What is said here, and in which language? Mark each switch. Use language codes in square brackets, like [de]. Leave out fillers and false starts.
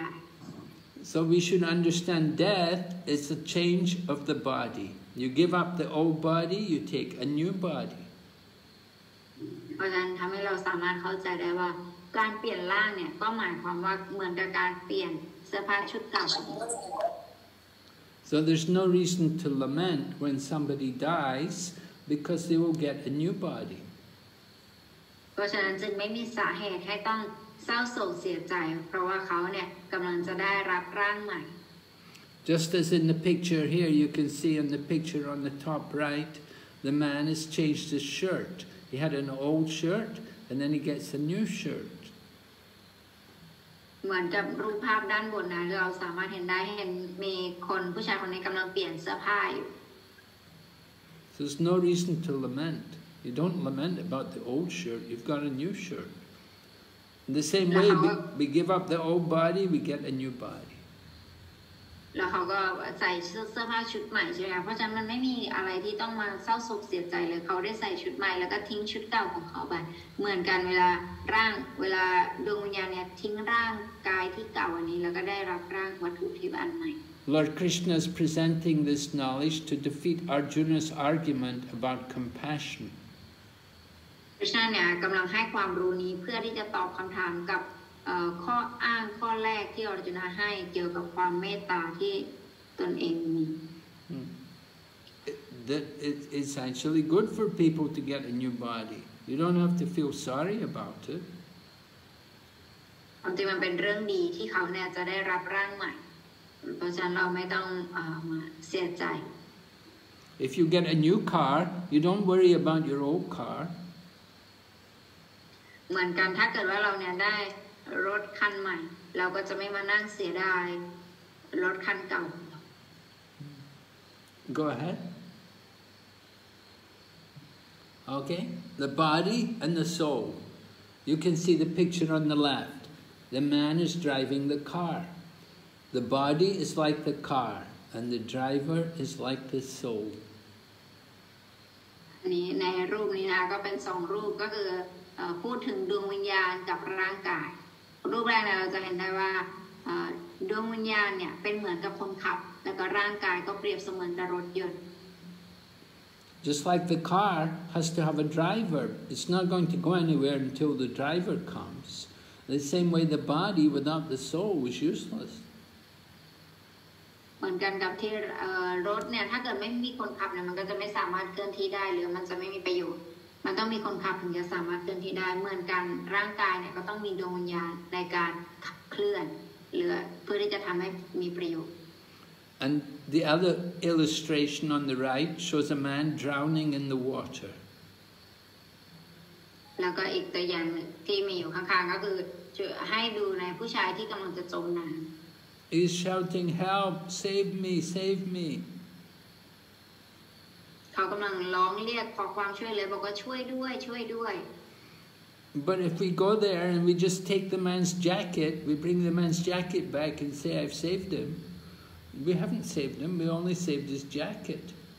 [en] So we should understand death is a change of the body. You give up the old body, you take a new body. [th] เพราะฉะนั้นทำให้เราสามารถเข้าใจได้ว่าการเปลี่ยนร่างเนี่ยก็หมายความว่าเหมือนกับการเปลี่ยนเสื้อผ้าชุดเก่า [en] So there's no reason to lament when somebody dies because they will get a new body [th] เพราะฉะนั้นจึงไม่มีสาเหตุให้ต้องเศร้าโศกเสียใจเพราะว่าเขาเนี่ยกำลังจะได้รับร่างใหม่ [en] Just as in the picture here you can see in the picture on the top right the man has changed his shirt he had an old shirtAnd then he gets a new shirt. [th] เหมือนกับรูปภาพด้านบนนะเราสามารถเห็นได้เห็นมีคนผู้ชายคนนี้กำลังเปลี่ยนเสื้อผ้าอยู่ [en] So there's no reason to lament. You don't lament about the old shirt. You've got a new shirt. In the same way, we give up the old body, we get a new body. [th] แล้วเขาก็ใส่เสื้อผ้าชุดใหม่ใช่ไหมเพราะฉะนั้นมันไม่มีอะไรที่ต้องมาเศร้าโศกเสียใจเลยเขาได้ใส่ชุดใหม่แล้วก็ทิ้งชุดเก่าของเขาไปเหมือนกันเวลาดวงวิญญาณเนี่ยทิ้งร่างกายที่เก่าอันนี้แล้วก็ได้รับร่างวัตถุที่อันใหม่ [en] Lord Krishna is presenting this knowledge to defeat Arjuna's argument about compassion [th] Krishna เนี่ยกำลังให้ความรู้นี้เพื่อที่จะตอบคำถามกับข้ออ้างข้อแรกที่อรจุนาให้เกี่ยวกับความเมตตาที่ตนเองมี [en] That it's actually good for people to get a new body. You don't have to feel sorry about it. [th] จริงมันเป็นเรื่องดีที่เขาเนี่ยจะได้รับร่างใหม่เพราะฉะนั้นเราไม่ต้องเสียใจ [en] If you get a new car, you don't worry about your old car. [th] เหมือนกันถ้าเกิดว่าเราเนี่ยได้รถคันใหม่เราก็จะไม่มานั่งเสียดายรถคันเก่า [en] Go ahead Okay? The body and the soul. You can see the picture on the left. The man is driving the car. The body is like the car, and the driver is like the soul. Just like the car has to have a driver, it's not going to go anywhere until the driver comes. The same way the body without the soul is useless. [th] เหมือนกันกับที่รถเนี่ยถ้าเกิดไม่มีคนขับเนี่ยมันก็จะไม่สามารถเคลื่อนที่ได้หรือมันจะไม่มีประโยชน์มันต้องมีคนขับถึงจะสามารถเคลื่อนที่ได้เหมือนกันร่างกายเนี่ยก็ต้องมีดวงวิญญาณในการขับเคลื่อนหรือเพื่อที่จะทำให้มีประโยชน์ [en] And the other illustration on the right shows a man drowning in the water [th] แล้วก็อีกตัวอย่างที่มีอยู่ข้างๆก็คือให้ดูในผู้ชายที่กำลังจะจมน้ำ [en] He's shouting, help, save me, save me. But if we go there and we just take the man's jacket, we bring the man's jacket back and say, I've saved him. We haven't saved him, we only saved his jacket.